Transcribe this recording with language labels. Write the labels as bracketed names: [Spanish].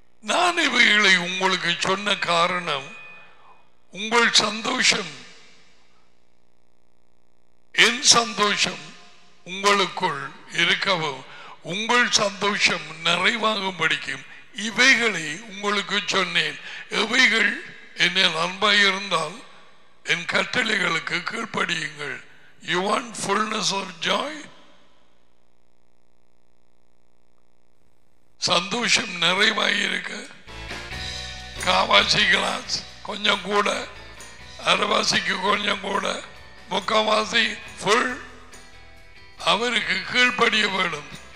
[Tamil] நான் இவைகளை உங்களுக்கு சொன்ன காரணம் உங்கள் சந்தோஷம் என் சந்தோஷம் உங்களுக்குள் இருக்கவும் உங்கள் சந்தோஷம் நிறைவாகும் படிக்கும் இவைகளை உங்களுக்கு சொன்னேன். இவைகள் என்ன நண்பாயிருந்தால் என் கட்டளைகளுக்கு கீழ்படியுங்கள். [English] You want fullness of joy? [Tamil] சந்தோஷம் நிறைவாயிருக்கு காவாசி கிளாஸ் கொஞ்சம் கூட, அரைவாசிக்கு கொஞ்சம் கூட, முக்கவாசி ஃபுல். அவருக்கு கீழ்படிய வேண்டும்.